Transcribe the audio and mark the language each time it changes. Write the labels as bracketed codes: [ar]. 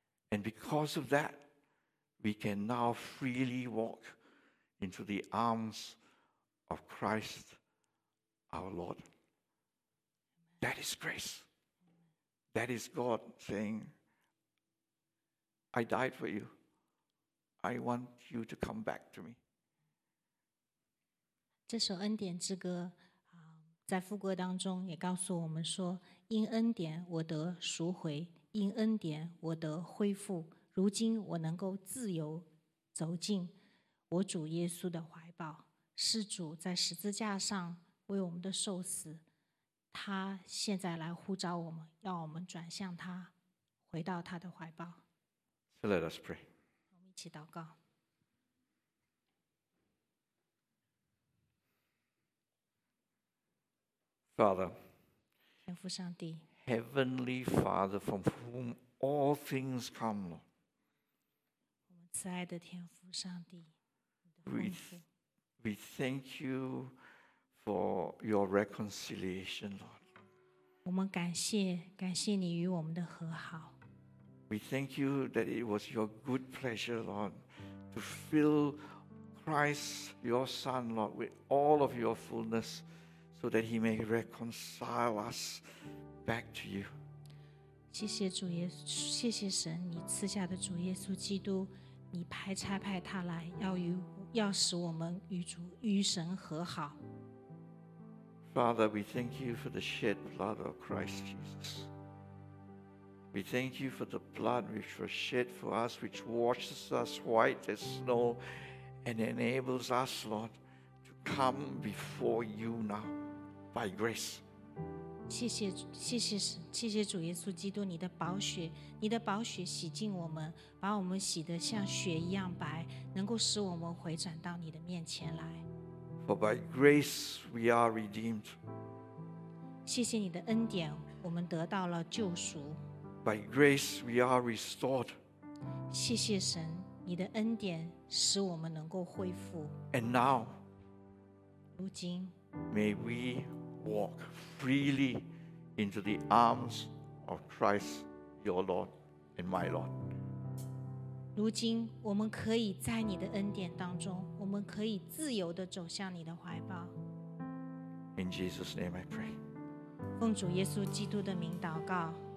[en] And because of that, we can now freely walk into the arms of Christ our Lord. That is grace. That is God saying, I died for you. I want you to come back to me. [zh] 这首恩典之歌在副歌当中也告诉我们说，因恩典我得赎回，因恩典我得恢复，如今我能够自由走进我主耶稣的怀抱。是主在十字架上为我们的受死，他现在来呼召我们，要我们转向他，回到他的怀抱。 [en] So let us pray. [zh] 我们一起祷告。 [en] Father, [zh] 天父上帝, [en] Heavenly Father, from whom all things come, Lord. [zh] 我们慈爱的天父上帝, [en] we thank you for your reconciliation, Lord. [zh] 我们感谢，感谢你与我们的和好。 [en] We thank you that it was your good pleasure, Lord, to fill Christ, your Son, Lord, with all of your fullness, so that he may reconcile us back to you. [zh] 谢谢主耶，谢谢神，你赐下的主耶稣基督，你派差派他来，要使我们与主与神和好。 [en] Father, we thank you for the shed blood of Christ Jesus. We thank you for the blood which was shed for us, which washes us white as snow and enables us, Lord, to come before you now by grace. [zh] 谢谢主耶稣基督，你的宝血洗净我们，把我们洗得像雪一样白，能够使我们回转到你的面前来。 [en] For by grace we are redeemed. [zh] 谢谢你的恩典，我们得到了救赎。 [en] By grace we are restored. [zh] 谢谢神，你的恩典使我们能够恢复。 [en] And now, [zh] 如今 [en] may we walk freely into the arms of Christ, your Lord and my Lord. [zh] 如今我们可以在你的恩典当中，我们可以自由地走向你的怀抱。 [en] In Jesus' name I pray. [zh] 奉主耶稣基督的名祷告。